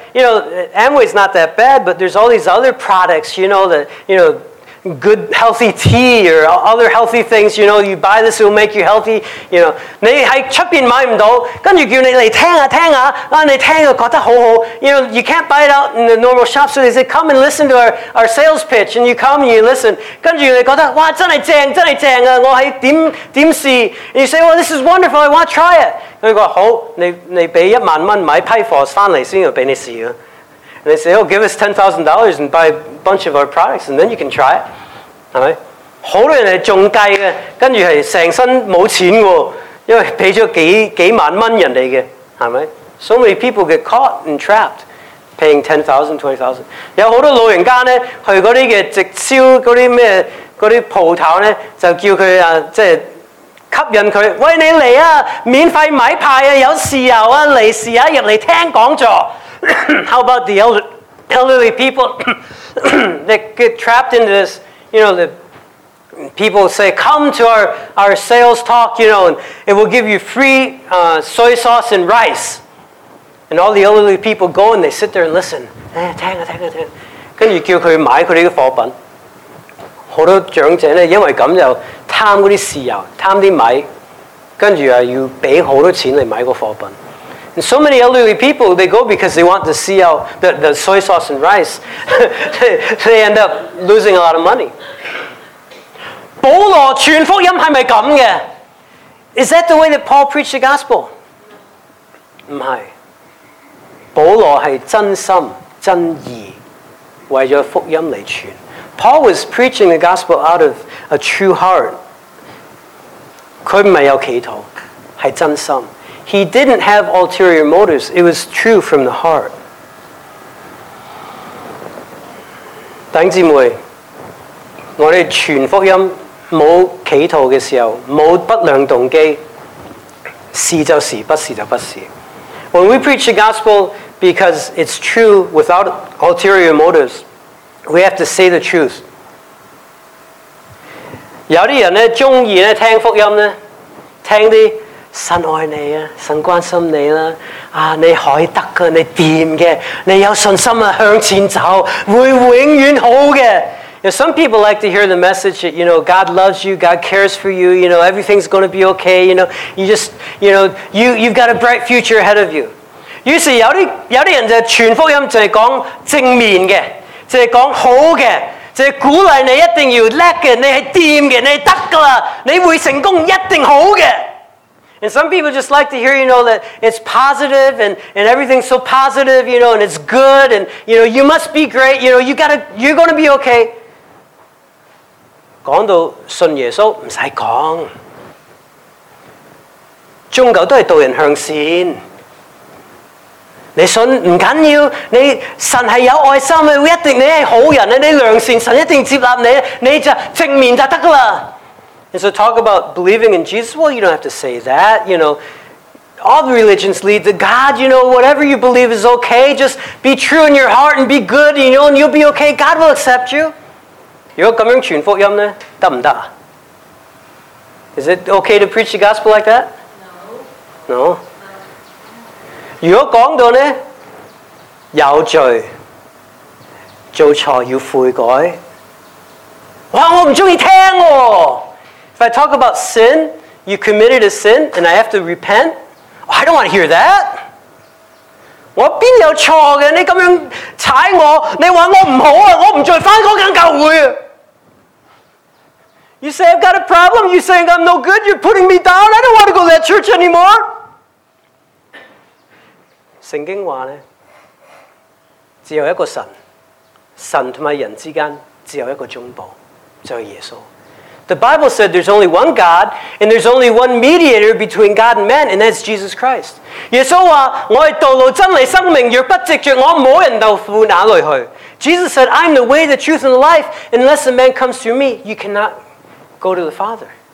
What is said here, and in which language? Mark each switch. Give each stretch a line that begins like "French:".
English: You know, Amway's not that bad, but there's all these other products, you know, that, you know, good healthy tea or other healthy things, you know, you buy this, it'll make you healthy, you know.
Chinese: 你在外面買不到，跟住叫你來聽啊，你聽了覺得好好。
English: You know, you can't buy it out in the normal shop, so they say, come and listen to our sales pitch, and you come and you listen.
Chinese: 跟住你覺得，哇，真是正啊，我是怎試。
English: And you say, well, this is wonderful, I want to try it.
Chinese: 佢話好，你俾$10,000買批貨翻嚟先，我俾你試啊。
English: And they say, oh, give us $10,000 and buy a bunch of our products, and then you can try it.
Chinese: 係咪？好多人係中計嘅，跟住係成身冇錢喎，因為俾咗幾萬蚊人哋嘅，係咪
English: ？So many people get caught and trapped, paying $10,000, $20,000.
Chinese: 有好多老人家咧，去嗰啲嘅直銷嗰啲咩嗰啲鋪頭咧，就叫佢吸引佢，喂你嚟啊！免費米派啊，有豉油啊，嚟試啊，入嚟聽講座。
English: How about the elderly people that get trapped into this? You know, the people say, "Come to our sales talk. You know, and it will give you free soy sauce and rice." And all the elderly people go and they sit there and listen.
Chinese: 聽啊！跟住叫佢買佢啲貨品。好多長者咧，因為咁就貪嗰啲豉油，貪啲米，跟住要俾好多錢嚟買個貨品。
English: And so many elderly people, they go because they want to see out the soy sauce and rice. they end up losing a lot of money.
Chinese: 保罗传福音系咪咁嘅？
English: Is that the way that Paul preached the gospel?
Chinese: 唔系，保罗系真心真意为咗福音嚟传。
English: Paul was preaching the gospel out of a true heart.
Chinese: 佢唔系有祈祷，系真心。
English: He didn't have ulterior motives. It was true from the heart.
Chinese: 弟兄姊妹，我哋传福音冇祈祷嘅时候，冇不良动机，是就是，不是就不是。
English: When we preach the gospel because it's true without ulterior motives, we have to say the truth.
Chinese: 有啲人咧中意咧听福音咧，听啲。神爱你啊，神关心你啦、啊，啊，你可以得噶，你掂嘅，你有信心啊，向前走，会永远好嘅。
English: You know, some people like to hear the message that you know God loves you, God cares for you, you know everything's going to be okay, you know you just you know you've got a bright future ahead of you.
Chinese: 於是有啲人就传福音就系讲正面嘅，就系讲好嘅。就鼓励你一定要叻嘅，你系掂嘅，你得噶啦，你会成功，一定好嘅。
English: And some people just like to hear, you know, that it's positive and everything's so positive, you know, and it's good and, you know, you must be great, you know, you're going to be okay.
Chinese: 讲到信耶稣唔使讲，宗教都系导人向善。你信唔紧要，你神系有爱心嘅，一定你系好人，你良善，神一定接纳你，你就正面就得噶啦。
English: And so talk about believing in Jesus, well, you don't have to say that, you know. All the religions lead to God, you know, whatever you believe is okay. Just be true in your heart and be good, you know, and you'll be okay. God will accept you.
Chinese: 如果咁样传福音呢，得唔得？
English: Is it okay to preach the gospel like that? No. No?
Chinese: 如果讲到呢，有罪，做错要悔改。哇，我唔中意听哦。
English: If I talk about sin, you committed a sin, and I have to repent, I don't want to hear that.
Chinese: 我边有错嘅？你咁样踩我，你话我唔好啊！我唔再翻嗰间教会啊！
English: You say I've got a problem. You saying I'm no good. You're putting me down. I don't want to go to that church anymore.
Chinese: 圣经话咧，只有一个神，神同埋人之间只有一个中保，就系耶稣。
English: The Bible said there's only one God and there's only one mediator between God and man, and that's Jesus Christ.
Chinese: 耶稣话：我系道路、真理、生命，若不藉着我，冇人到父那里去。
English: Jesus said, I'm the way, the truth, and the life. Unless a man comes through me, you cannot go to the Father.